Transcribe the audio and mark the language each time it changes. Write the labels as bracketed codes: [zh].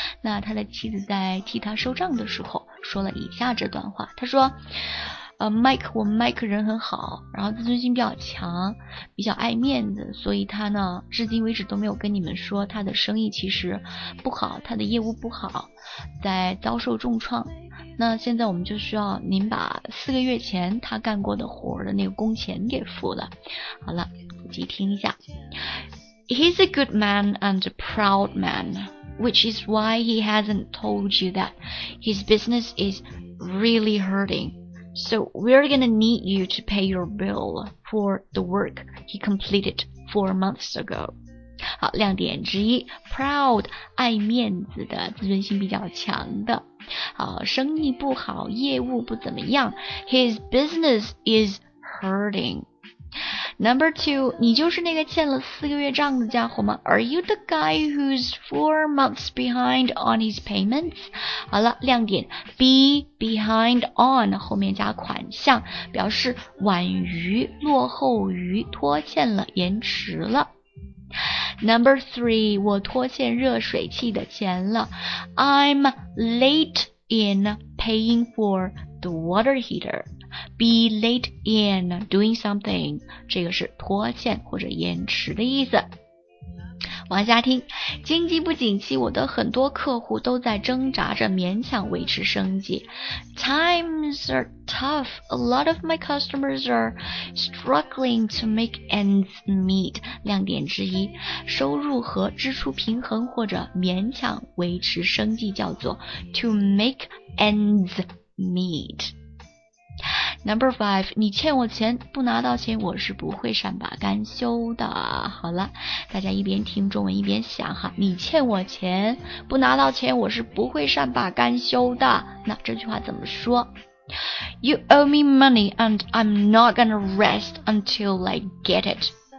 [zh] 那他的妻子在替他收账的时候说了以下这段话，他说Mike， 我 Mike 人很好，然后自尊心比较强，比较爱面子，所以他呢至今为止都没有跟你们说他的生意其实不好，他的业务不好，在遭受重创。那现在我们就需要您把四个月前他干过的活的那个工钱给付了。好了，仔细听一下。 [en] He's a good man and a proud man, which is why he hasn't told you that his business is really hurting. So we're gonna need you to pay your bill for the work he completed 4 months ago. [zh] 好，亮点之一 ,proud, 爱面子的，自尊心比较强的。好，生意不好，业务不怎么样。 [en] His business is hurting. Number two, [zh] 你就是那个欠了四个月账的家伙吗？ [en] Are you the guy who's 4 months behind on his payments? [zh] 好了，亮点 ,be behind on, 后面加款项，表示晚于，落后于，拖欠了，延迟了。 [en] Number three, [zh] 我拖欠热水器的钱了。 [en] I'm late in paying for the water heater. Be late in doing something. [zh] 这个是拖欠或者延迟的意思。往下听，经济不景气，我的很多客户都在挣扎着勉强维持生计。 [en] Times are tough. A lot of my customers are struggling to make ends meet. [zh] 亮点之一，收入和支出平衡或者勉强维持生计叫做 to make ends meet. [en] Number five, [zh] 你欠我钱，不拿到钱，我是不会善罢甘休的。好了，大家一边听中文一边想哈，你欠我钱，不拿到钱，我是不会善罢甘休的。那这句话怎么说？ [en] You owe me money and I'm not gonna rest until I get it.